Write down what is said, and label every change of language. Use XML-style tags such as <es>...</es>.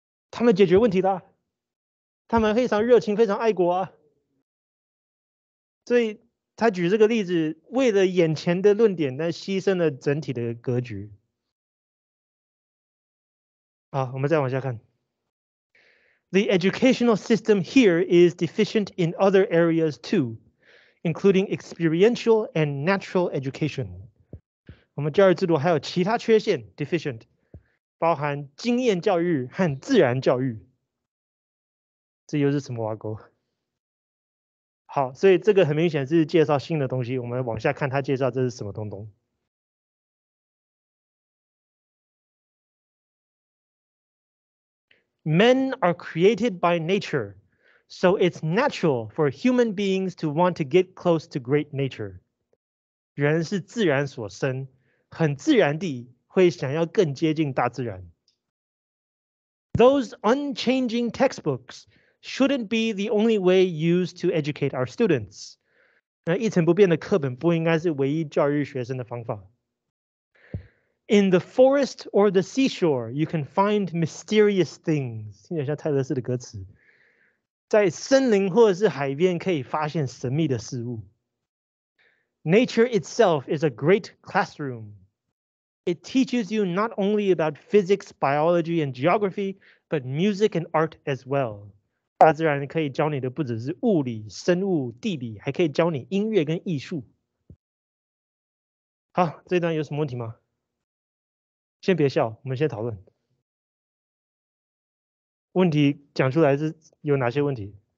<zh>他们解决问题的，他们非常热情，非常爱国啊，所以。他举这个例子，为了眼前的论点，但牺牲了整体的格局。好，我们再往下看。</zh> <en>The educational system here is deficient in other areas too, including experiential and natural education.</en> <zh>我们教育制度还有其他缺陷 deficient, 包含经验教育和自然教育。这又是什么挖沟？好，所以这个很明显是介绍新的东西，我们往下看他介绍这是什么东东。</zh> <en>Men are created by nature, so it's natural for human beings to want to get close to great nature.</en> <zh>人是自然所生，很自然地会想要更接近大自然。</zh> <en>Those unchanging textbooks,shouldn't be the only way used to educate our students.</en> <zh>那一成不变的课本不应该是唯一教育学生的方法。</zh> <en>In the forest or the seashore, you can find mysterious things.</en> <zh>听起来像泰勒斯的歌词。在森林或者是海边可以发现神秘的事物。</zh> <en>Nature itself is a great classroom. It teaches you not only about physics, biology, and geography, but music and art as well.</en> <zh>大自然可以教你的不只是物理、生物、地理，还可以教你音乐跟艺术。好，这段有什么问题吗？先别笑，我们先讨论。问题讲出来是有哪些问题？</zh>